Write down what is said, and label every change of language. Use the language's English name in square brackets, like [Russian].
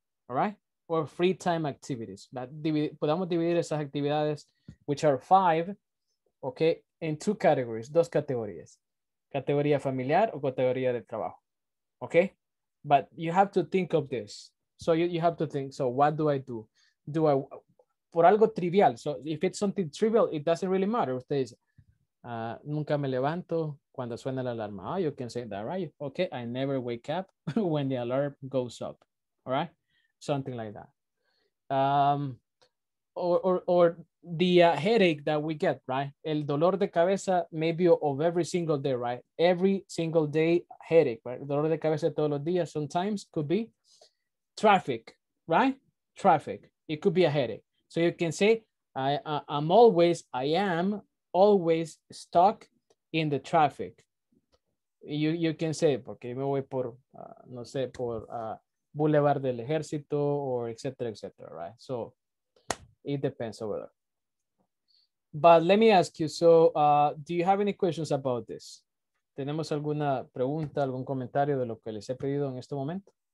[English] All right, or free time activities. But [Spanish] podamos dividir esas actividades, [English] which are five, okay, in two categories, [Spanish] dos categorías. Categoría familiar o categoría de trabajo, okay? [English] But you have to think of this. So you have to think, so what do I do? Do I, for [Spanish] algo trivial, [English] so if it's something trivial, it doesn't really matter. [Spanish] Usted dice, nunca me levanto cuando suena la alarma. [English] Oh, you can say that, right? Okay, I never wake up when the alarm goes up, all right? Something like that. Or the headache that we get, right? [Spanish] El dolor de cabeza, [English] maybe of every single day, right? Every single day headache, right? [Spanish] Dolor de cabeza todos los días [English] sometimes could be traffic, right? Traffic. It could be a headache. So you can say, I am always stuck in the traffic. [Spanish] You can say, porque me voy por, no sé, por... [English] Boulevard del Ejército, or et cetera, et cetera, right? So it depends over there. But let me ask you, so do you have any questions about this? [Spanish] ¿Tenemos alguna pregunta, algún comentario de lo que les he pedido en este momento?